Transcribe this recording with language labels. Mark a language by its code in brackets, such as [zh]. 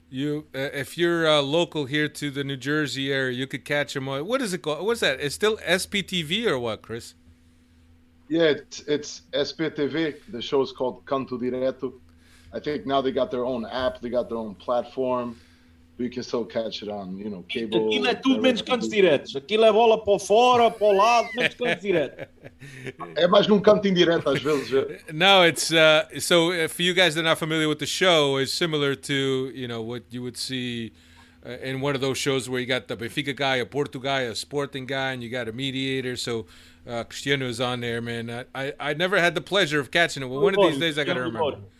[en] If you're local here to the New Jersey area, you could catch him. What is it called? What's that? It's still SPTV or what, Chris? Yeah, it's SPTV. The show is called Canto Direto. I think now they got their own app. They got their own platform. But you can still catch it on, you know, cable. [pt] Aqui é tudo menos canto direto. Aqui é bola para fora, para o lado, menos canto direto. É mais num canto indireto às vezes. [en] No, it's so if you guys are not familiar with the show, it's similar to, you know, what you would see in one of those shows where you got the Benfica guy, a Porto guy, a Sporting guy, and you got a mediator. So Cristiano is on there, man. I never had the pleasure of catching it. Well, one of these days I got to remember.